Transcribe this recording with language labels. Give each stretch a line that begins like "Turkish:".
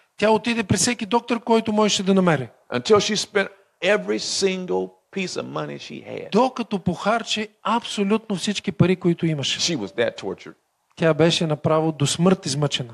Bulgarian: Тя отиде при всеки доктор, който можеше да намери.
English: Until she spent every single piece of money she had.
Bulgarian: Докато похарчи абсолютно всички пари, които имаше.
English: She was that tortured.
Bulgarian: Тя беше направо до смърт измъчена.